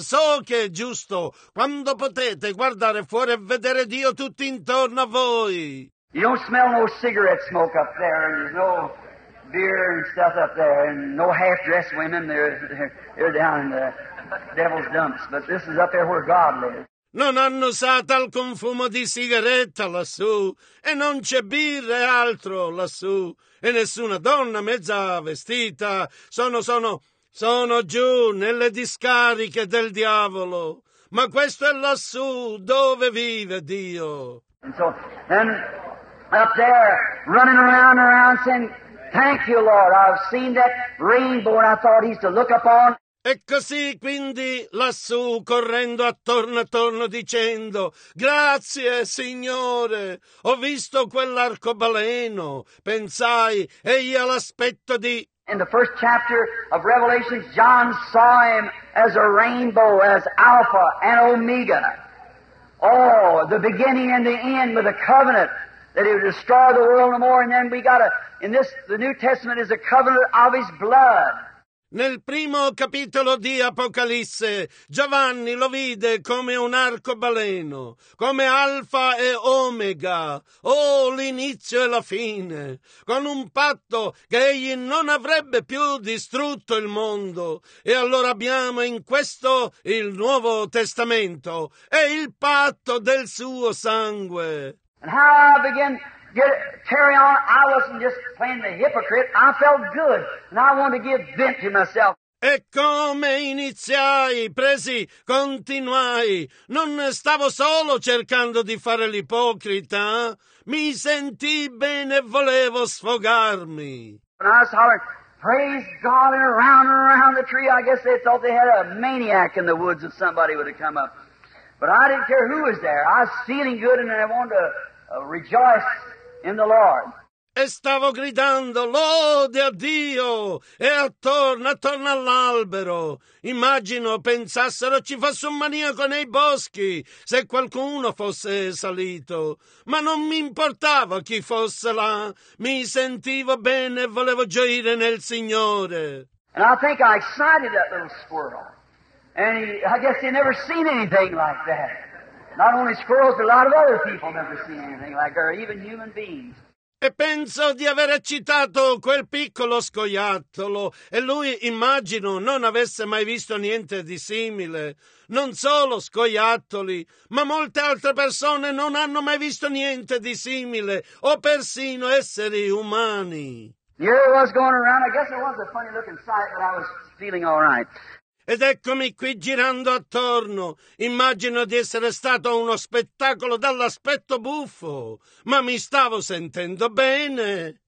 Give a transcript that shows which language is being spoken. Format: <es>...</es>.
<it>So che è giusto quando potete guardare fuori e vedere Dio tutto intorno a voi.</it> <en>You don't smell no cigarette smoke up there, you know. Beer and stuff up there, and no half-dressed women. They're down in the devil's dumps. But this is up there where God lives.</en> <it>Non hanno usato alcun fumo di sigaretta lassù, e non c'è birra e altro lassù, e nessuna donna mezza vestita. Sono giù nelle discariche del diavolo. Ma questo è lassù dove vive Dio.</it> <en>And up there, running around, saying, thank you, Lord. I've seen that rainbow and I thought he's to look upon.</en> <it>E così quindi lassù, correndo attorno, dicendo, grazie, Signore, ho visto quell'arcobaleno. Pensai, egli ha l'aspetto di...</it> <en>In the first chapter of Revelation, John saw him as a rainbow, as Alpha and Omega. Oh, the beginning and the end with the covenant that He would destroy the world no more. And then we got the New Testament is a covenant of His blood.</en> <it>Nel primo capitolo di Apocalisse, Giovanni lo vide come un arcobaleno, come Alfa e Omega, l'inizio e la fine, con un patto che egli non avrebbe più distrutto il mondo. E allora abbiamo in questo il Nuovo Testamento e il patto del suo sangue.</it> <en>And how I began carry on, I wasn't just playing the hypocrite, I felt good, and I wanted to give vent to myself.</en> <it>E come iniziai, presi, continuai, non stavo solo cercando di fare l'ipocrita, mi sentì bene e volevo sfogarmi.</it> <en>And I was hollering, praise God, and around the tree, I guess they thought they had a maniac in the woods if somebody would have come up. But I didn't care who was there, I was feeling good and I wanted to rejoice. In the Lord.</en> <it>E stavo gridando, lode a Dio, e attorno all'albero. Immagino pensassero ci fosse un maniaco nei boschi, se qualcuno fosse salito. Ma non mi importava chi fosse là, mi sentivo bene e volevo gioire nel Signore.</it> <en>And I think I excited that little squirrel. And I guess he never seen anything like that. Not only squirrels, but a lot of other people never seen anything like her, even human beings.</en> <it>E penso di aver eccitato quel piccolo scoiattolo, e lui, immagino, non avesse mai visto niente di simile. Non solo scoiattoli, ma molte altre persone non hanno mai visto niente di simile, o persino esseri umani.</it> <en>Here I was going around, I guess it was a funny looking sight, but I was feeling all right.</en> <it>Ed eccomi qui girando attorno. Immagino di essere stato uno spettacolo dall'aspetto buffo, ma mi stavo sentendo bene.</it>